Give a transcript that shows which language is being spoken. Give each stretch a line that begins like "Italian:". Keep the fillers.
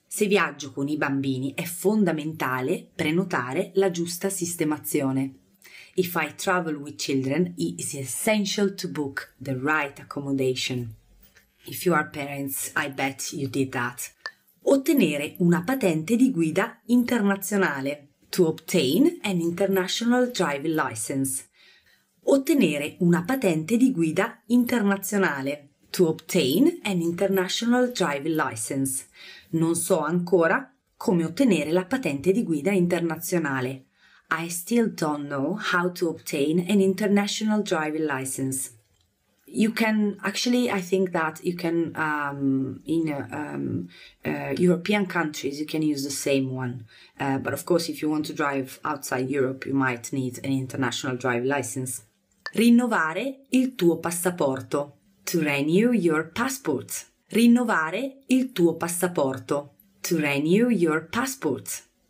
Italian: Se viaggio con i bambini è fondamentale prenotare la giusta sistemazione.
English: If I travel with children, it is essential to book the right accommodation. If you are parents, I bet you did that
Italian: ottenere una patente di guida internazionale.
English: To obtain an international driving license.
Italian: Ottenere una patente di guida internazionale.
English: To obtain an international driving license.
Italian: Non so ancora come ottenere la patente di guida internazionale.
English: I still don't know how to obtain an international driving license. you can actually i think that you can um, in uh, um, uh, european countries you can use the same one uh, but of course if you want to drive outside europe you might need an international drive license
Italian: rinnovare il tuo passaporto
English: to renew your passport rinnovare il tuo passaporto to renew your passport